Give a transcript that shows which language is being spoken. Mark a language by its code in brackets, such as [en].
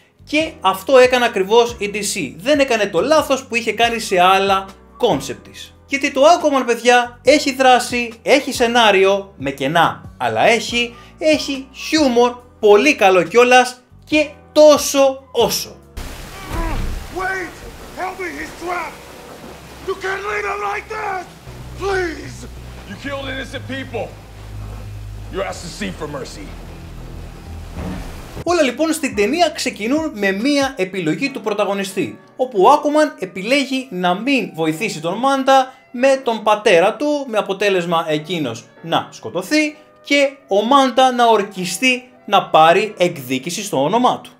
[el] Και αυτό έκανε ακριβώς η DC. Δεν έκανε το λάθος που είχε κάνει σε άλλα concept της. Γιατί το Aquaman, παιδιά, έχει δράση, έχει σενάριο, με κενά, αλλά έχει, έχει χιούμορ, πολύ καλό κιόλας και τόσο όσο. [en] Wait, help me, he's trapped. You can't leave him like that. Please. You killed innocent people. You asked to see for mercy. [el] Όλα λοιπόν στην ταινία ξεκινούν με μία επιλογή του πρωταγωνιστή, όπου ο Aquaman επιλέγει να μην βοηθήσει τον Manta με τον πατέρα του, με αποτέλεσμα εκείνος να σκοτωθεί και ο Manta να ορκιστεί να πάρει εκδίκηση στο όνομά του.